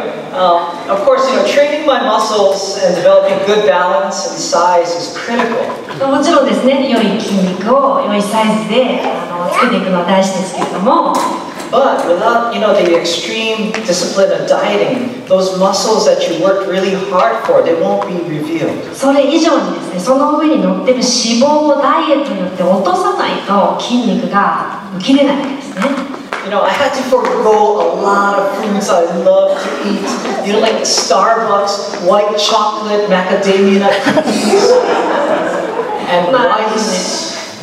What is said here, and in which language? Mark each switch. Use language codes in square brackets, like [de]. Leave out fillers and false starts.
[en] Of course, you know, training my muscles and developing good balance and size is critical. [ja] もちろんですね、良い筋肉を良いサイズで作っていくのは大事ですけれども。 [en] But without, you know, the extreme discipline of dieting, those muscles that you worked really hard for, they won't be revealed. [ja] それ以上にですね、その上に乗ってる脂肪をダイエットによって落とさないと筋肉が浮き出ないんですね。 [en] You know, I had to forego a lot of foods I love to eat. You know, like Starbucks, white chocolate, macadamia nut cookies, and rice.